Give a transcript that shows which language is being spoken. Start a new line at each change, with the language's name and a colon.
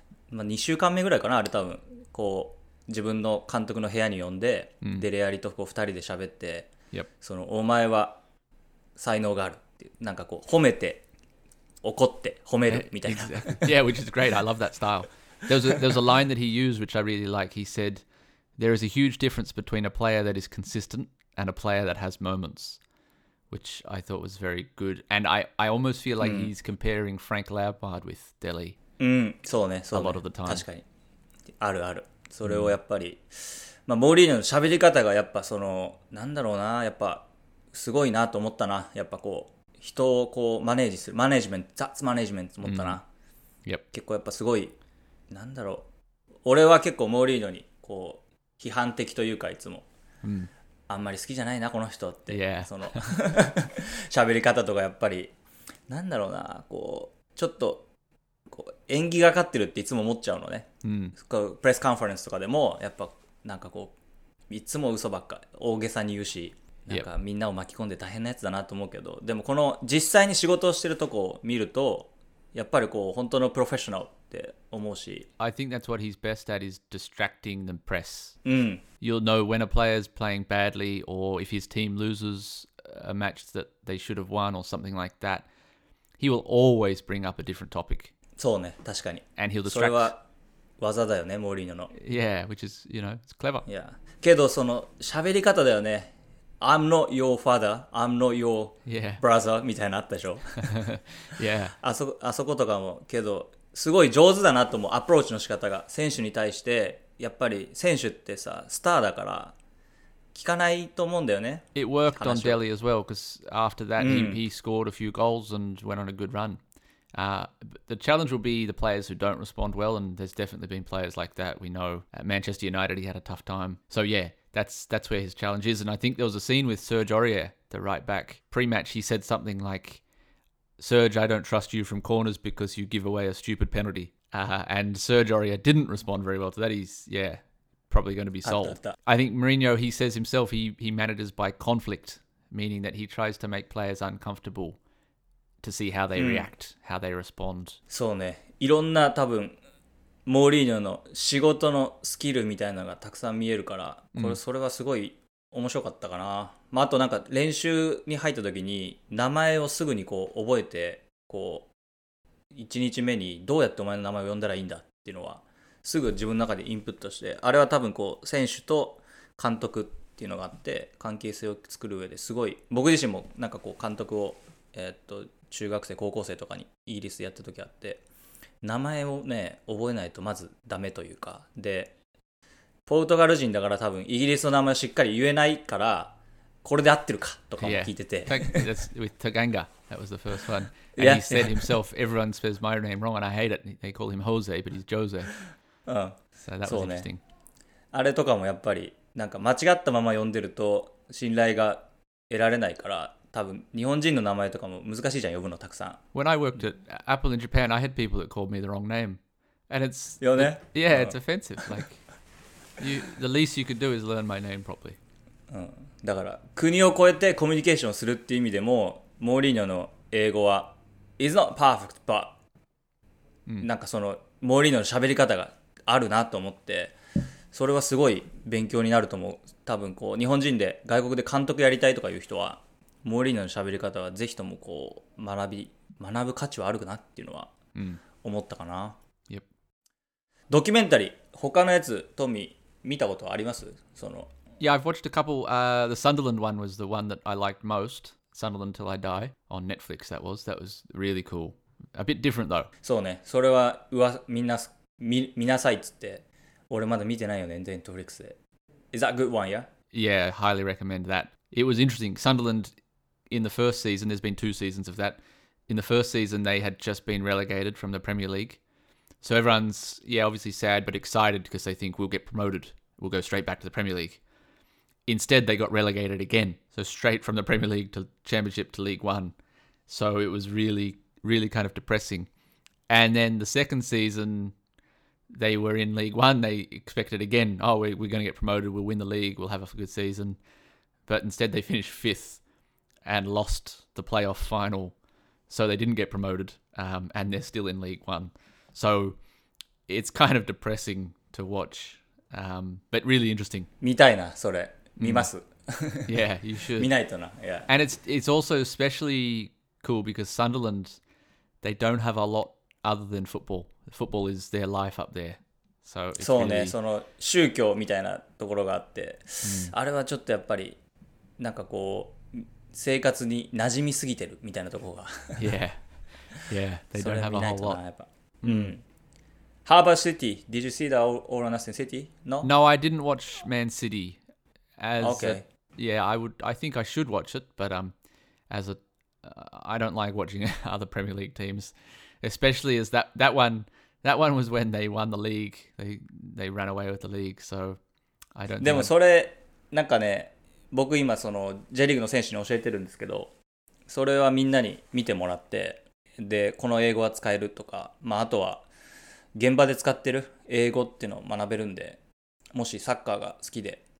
Japanese: まあ、2週間目ぐらいかなあれ多分こう自分の監督の部屋に呼んで、デレアリとこう2人で喋って、そのお前は才能があるっていう、なんかこう褒めて怒って褒めるみたいな。
English: Yeah, which is great. I love that style. There's a line that he used which I really like. He said, there is a huge difference between a player that is consistent and a player that has moments, which I thought was very good. And I almost feel like he's comparing Frank Lampard with Dele.
Japanese: そうね、そうね。
English: A lot of the time.
Japanese: 確かに。あるある。それをやっぱり、まあ、モーリーニョの喋り方がやっぱその、なんだろうな、やっぱすごいなと思ったな。やっぱこう、人をこうマネージするマネージメント、雑マネージメントと思ったな。結構やっぱすごい、なんだろう、俺は結構モーリーノにこう批判的というかいつも、あんまり好きじゃないなこの人って、その喋り方とかやっぱりなんだろうな、こうちょっとこう演技がかってるっていつも思っちゃうのね。プレスカンファレンスとかでもやっぱなんかこういつも嘘ばっか大げさに言うし、なんかみんなを巻き込んで大変なやつだなと思うけど、でもこの実際に仕事をしてるとこを見るとやっぱりこう本当のプロフェッショナルって思うし、
English: I think that's what he's best at is distracting the press. You'll know when a player is playing badly or if his team loses a match that they should have won or something like that, he will always bring up a different topic.
Japanese: そうね、確かに。
English: And he'll distract.
Japanese: それは技だよね、モーリーニョの。
English: Yeah, which is, you know, it's clever. Yeah.
Japanese: けどその喋り方だよね、
English: I'm not your father, I'm not your brother,
Japanese: みたいなあったでしょ。
English: Yeah.
Japanese: あそことかも、けど、すごい上手だなと思う、アプローチの仕方が。選手に対して、やっぱり選手ってさ、スターだから、聞かないと思うんだよね。
English: It worked on Dele as well, because after that, he scored a few goals and went on a good run. The challenge will be the players who don't respond well, and there's definitely been players like that. We know at Manchester United, he had a tough time. So yeah. That's where his challenge is. And I think there was a scene with Serge Aurier, the right back. Pre-match, he said something like, Serge, I don't trust you from corners because you give away a stupid penalty. And Serge Aurier didn't respond very well to that. He's, probably going to be sold. I think Mourinho, he says himself, he manages by conflict, meaning that he tries to make players uncomfortable to see how they react, how they respond.
Japanese: そうね。いろんな多分モーリーニョの仕事のスキルみたいなのがたくさん見えるから、これそれはすごい面白かったかな。まあ、あとなんか練習に入った時に名前をすぐにこう覚えて、こう1日目にどうやってお前の名前を呼んだらいいんだっていうのはすぐ自分の中でインプットして、あれは多分こう選手と監督っていうのがあって関係性を作る上ですごい、僕自身もなんかこう監督を中学生高校生とかにイギリスでやった時あって、名前をね覚えないとまずダメというか、でポルトガル人だから多分イギリスの名前しっかり言えないから、これで合ってるかとかも聞いてて、
English: That's with Taganga, that was the first one. And he said himself, everyone says my name wrong and I hate it. They call him Jose, but he's Jose. So that was interesting.
Japanese: あれとかもやっぱりなんか間違ったまま呼んでると信頼が得られないから、多分日本人の名前とかも難しいじゃん、呼ぶのたくさん。
English: When I worked at Apple in Japan, I had people that called me the wrong name. And it's...
Japanese: よね。
English: Yeah, it's offensive. Like, the least you could do is learn my name properly.
Japanese: だから、国を越えてコミュニケーションするっていう意味でも、モーリーニョの英語は、
English: It's not perfect, but...
Japanese: なんかその、モーリーニョの喋り方があるなと思って、それはすごい勉強になると思う。多分こう、日本人で、外国で監督やりたいとかいう人は、モーリーニョの喋り方はぜひともこう学ぶ価値はあるかなっていうのは思ったかな。
English: Yep.
Japanese: ドキュメンタリー、他のやつトミー見たことあります？その。
English: Yeah, I've watched a couple. The Sunderland one was the one that I liked most. Sunderland Till I Die on Netflix. That was really cool. A bit different though.
Japanese: そうね。それはみんな見なさいっつって。俺まだ見てないよね、ネットフリックスで。
English: Is that a good one, yeah? Yeah, highly recommend that. It was interesting. Sunderland, in the first season, there's been two seasons of that. In the first season, they had just been relegated from the Premier League. So everyone's, yeah, obviously sad, but excited because they think we'll get promoted. We'll go straight back to the Premier League. Instead, they got relegated again. So straight from the Premier League to Championship to League One. So it was really, really kind of depressing. And then the second season, they were in League One. They expected again, oh, we're going to get promoted. We'll win the league. We'll have a good season. But instead, they finished fifth and lost the playoff final. So they didn't get promoted. And they're still in League One. So it's kind of depressing to watch. But really interesting.
Japanese: 見たいな、それ。見ます。
English: Yeah, you should.
Japanese: 見ないとな、yeah.
English: And it's also especially cool because Sunderland, they don't have a lot other than football. Football is their life up there. So it's
Japanese: そうね、
English: really...
Japanese: その宗教みたいなところがあって、あれはちょっとやっぱり、なんかこう、生活に馴染みすぎてるみたいなところが。
English: Yeah, yeah, they don't have a whole lot.
Japanese: やっぱ。
English: Harbour City, did you see the All or Nothing City? No? No, I didn't watch Man City. As okay. A, yeah, I would. I think I should watch it, but as a, I don't like watching other Premier League teams, especially as that one was when they won the league. They ran away with the league, so I don't.
Japanese: でもそれなんかね、僕今その J リーグの選手に教えてるんですけど、それはみんなに見てもらって、でこの英語は使えるとか、まああとは現場で使ってる英語っていうのを学べるんで、もしサッカーが好きで。